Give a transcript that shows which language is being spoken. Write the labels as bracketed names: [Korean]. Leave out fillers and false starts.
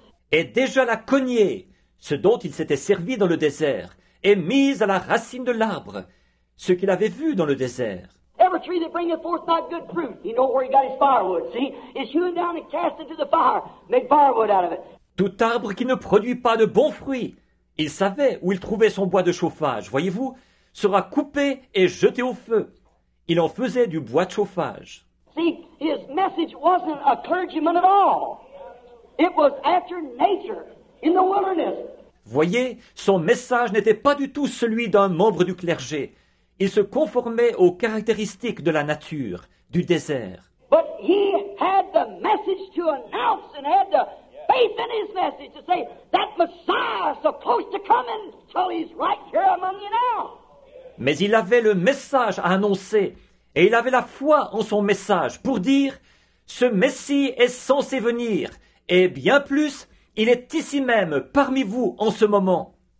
[French] Et déjà la cognée, ce dont il s'était servi dans le désert, est mise à la racine de l'arbre, ce qu'il avait vu dans le désert. [English] Every tree that bringeth forth not good fruit, he knows where he got his firewood, see? It's hewn down and cast into the fire, make firewood out of it. [French] Tout arbre qui ne produit pas de bons fruits, il savait où il trouvait son bois de chauffage, voyez-vous, sera coupé et jeté au feu. Il en faisait du bois de chauffage. [English] See, his message wasn't a clergyman at all. It was after nature. In the wilderness. [French] Voyez, son message n'était pas du tout celui d'un membre du clergé. Il se conformait aux caractéristiques de la nature, du désert. [English] But he had the message to announce and had the faith in his message to say that Messiah is supposed to come and tell he's right here among you now. [French] Mais il avait le message à annoncer et il avait la foi en son message pour dire ce Messie est censé venir et bien plus. Il est ici même, parmi vous, en ce moment.